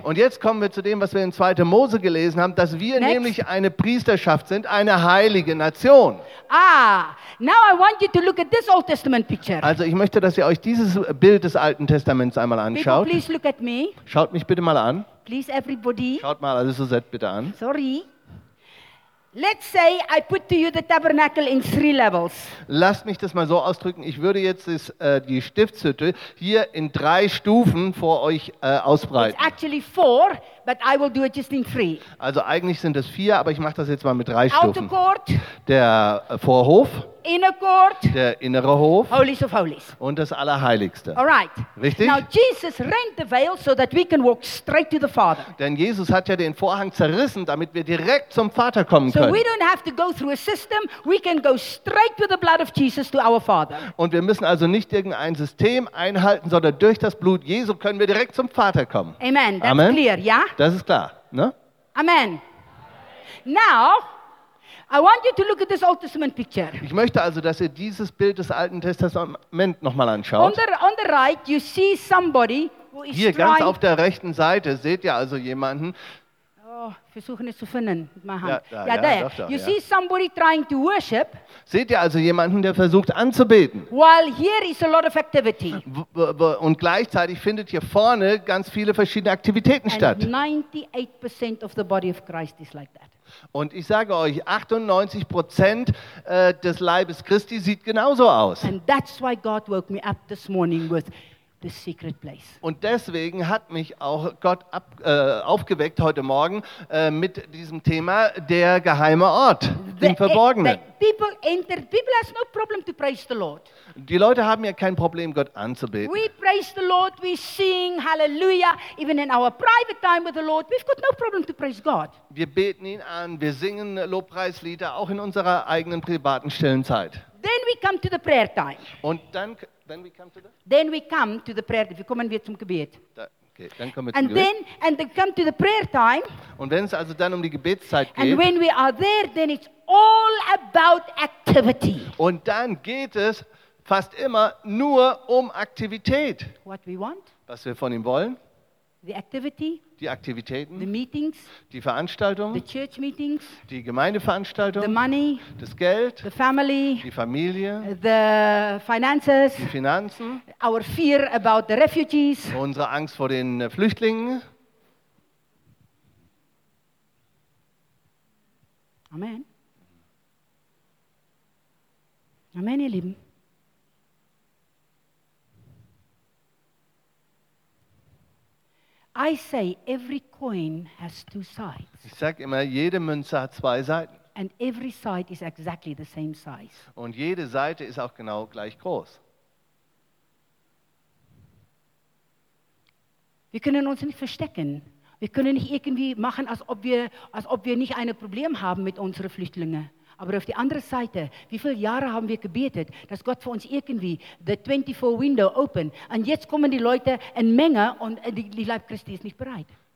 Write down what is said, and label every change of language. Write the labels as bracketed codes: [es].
[de] Und jetzt kommen wir zu dem, was wir in 2. Mose gelesen haben, dass wir nämlich eine Priesterschaft sind, eine heilige Nation. [en] Ah, now I want you to look at this Old Testament picture. [de] Also ich möchte, dass ihr euch dieses Bild des Alten Testaments einmal anschaut. [en] People, please look at me. [de] Schaut mich bitte mal an. [en] Please, everybody. [de] Schaut mal alle Suzette bitte an. [en] Sorry. Let's say I put to you the tabernacle in 3 levels. [de] Lasst mich das mal so ausdrücken. Ich würde jetzt die Stiftshütte hier in 3 Stufen vor euch ausbreiten. [en] It's actually 4, but I will do it just in 3. [de] Also eigentlich sind es 4, aber ich mache das jetzt mal mit 3 Stufen. [en] Outer court. [de] Der Vorhof. [en] Inner court. [de] Der innere Hof. [en] Holies of Holies. [de] Und das Allerheiligste. [en] All right. [de] Richtig? [en] Now Jesus rent the veil so that we can walk straight to the Father. [de] Denn Jesus hat ja den Vorhang zerrissen, damit wir direkt zum Vater kommen können. [en] So we don't have to go through a system, we can go straight to the blood of Jesus to our Father. [de] Und wir müssen also nicht irgendein System einhalten, sondern durch das Blut Jesu können wir direkt zum Vater kommen. [en] Amen. That's Amen. Clear, yeah? [de] Das ist klar, ne? [en] Amen. Now I want you to look at this Old Testament picture. [de] Ich möchte also, dass ihr dieses Bild des Alten Testaments nochmal anschaut. [en] On the right, you see somebody who is [de] hier ganz auf der rechten Seite seht ihr also jemanden. Oh, versuchen es zu finden mit meiner Hand. Ja, [en] see somebody trying to worship. [de] Seht ihr also jemanden, der versucht anzubeten? [en] While here is a lot of activity. [de] Und gleichzeitig findet hier vorne ganz viele verschiedene Aktivitäten [en] and [de] statt. [en] 98% of the body of Christ is like that. [de] Und ich sage euch, 98% des Leibes Christi sieht genauso aus. [en] And that's why God woke me up this morning with the secret place. [de] Und deswegen hat mich auch Gott aufgeweckt heute Morgen mit diesem Thema der geheime Ort, dem Verborgenen. [en] People have no problem to praise the Lord. [de] Die Leute haben ja kein Problem, Gott anzubeten. [en] We praise the Lord, we sing hallelujah, even in our private time with the Lord, we've got no problem to praise God. [de] Wir beten ihn an, wir singen Lobpreislieder, auch in unserer eigenen privaten stillen Zeit. [en] Then we come to the prayer time. [de] Und dann Wir kommen wir zum Gebet. Okay, dann kommen wir [en] and [de] zum [en] then, [de] Gebet. [en] And then come to the prayer time. [de] Und wenn es also dann um die Gebetszeit geht. [en] And when we are there, then it's all about activity. [de] Und dann geht es fast immer nur um Aktivität. [en] What we want. [de] Was wir von ihm wollen. [en] The activity. [de] Die Aktivitäten. [en] The meetings. [de] Die Veranstaltungen. [en] The church meetings. [de] Die Gemeindeveranstaltung. [en] The money. [de] Das Geld. [en] The family. [de] Die Familie. [en] The finances. [de] Die Finanzen. [en] Our fear about the refugees. [de] Unsere Angst vor den Flüchtlingen. [en] Amen. [de] Amen, ihr Lieben. [en] I say every coin has 2 sides. [de] Ich sag immer, jede Münze hat 2 Seiten. [en] And every side is exactly the same size. [de] Und jede Seite ist auch genau gleich groß. Wir können uns nicht verstecken. Wir können nicht irgendwie machen, als ob wir nicht ein Problem haben mit unseren Flüchtlingen. Aber auf die andere Seite, wie viele Jahre haben wir gebetet, dass Gott für uns irgendwie [en] the 24 window open, [de] und jetzt kommen die Leute in Menge und die Leib Christi ist nicht bereit.